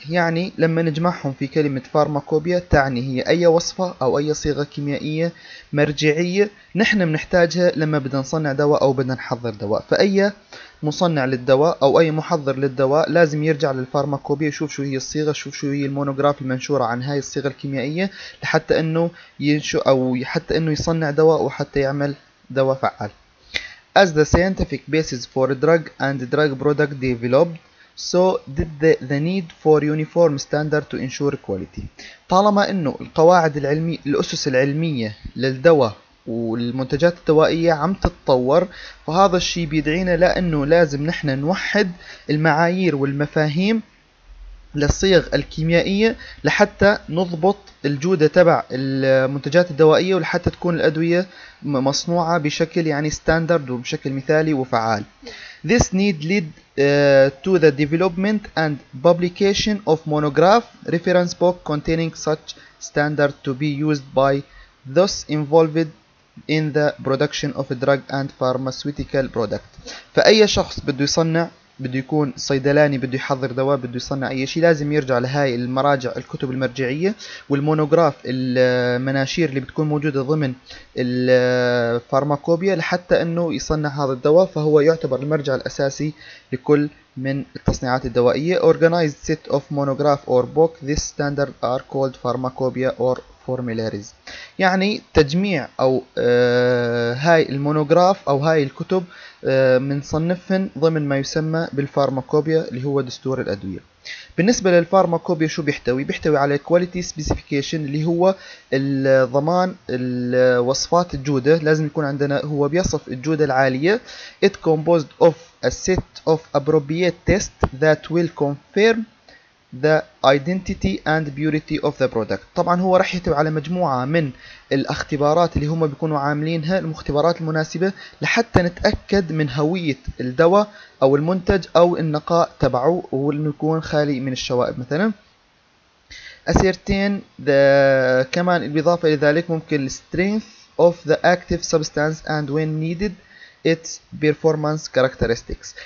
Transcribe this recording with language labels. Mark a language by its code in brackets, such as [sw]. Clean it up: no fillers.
[ar] يعني لما نجمعهم في كلمة فارماكوبيا تعني هي أي وصفة أو أي صيغة كيميائية مرجعية نحن بنحتاجها لما بدنا نصنع دواء أو بدنا نحضر دواء. فأي مصنع للدواء أو أي محضر للدواء لازم يرجع للفارماكوبيا يشوف شو هي الصيغة, يشوف شو هي المونوغراف المنشورة عن هاي الصيغة الكيميائية لحتى إنه ينشئ أو حتى إنه يصنع دواء وحتى يعمل دواء فعال. [en] As the scientific basis for a drug and a drug product developed, so did the need for uniform standard to ensure quality. [ar] طالما انه القواعد العلمية الاسس العلمية للدواء والمنتجات الدوائية عم تتطور, فهذا الشيء بيدعينا لانه لازم نحن نوحد المعايير والمفاهيم للصيغ الكيميائية لحتى نضبط الجودة تبع المنتجات الدوائية ولحتى تكون الادوية مصنوعة بشكل يعني ستاندرد وبشكل مثالي وفعال. [en] This need led to the development and publication of monograph reference book containing such standard to be used by those involved in the production of a drug and pharmaceutical product. [ar] فأي شخص بده يصنع بده يكون صيدلاني بده يحضر دواء بده يصنع اي شيء لازم يرجع لهاي المراجع الكتب المرجعيه والمونوغراف المناشير اللي بتكون موجوده ضمن الفارماكوبيا لحتى انه يصنع هذا الدواء. فهو يعتبر المرجع الاساسي لكل من التصنيعات الدوائيه. [en] organized set of monograph or book this standard are called pharmacopoeia or formularies. [ar] يعني تجميع او هاي المونوغراف او هاي الكتب منصنفهم ضمن ما يسمى بالفارماكوبيا اللي هو دستور الادويه. بالنسبه للفارماكوبيا شو بيحتوي؟ بيحتوي على كواليتي سبيسيفيكيشن اللي هو الضمان الوصفات الجوده. لازم يكون عندنا هو بيصف الجوده العاليه. [en] it composed of a set of appropriate tests that will confirm the identity and purity of the product. [ar] طبعا هو راح يحتوي على مجموعه من الاختبارات اللي هم بيكونوا عاملينها المختبرات المناسبه لحتى نتاكد من هويه الدواء او المنتج او النقاء تبعه وانه يكون خالي من الشوائب مثلا. [en] ascertain the [ar] كمان بالاضافه الى ذلك ممكن [en] strength of the active substance and when needed its performance characteristics.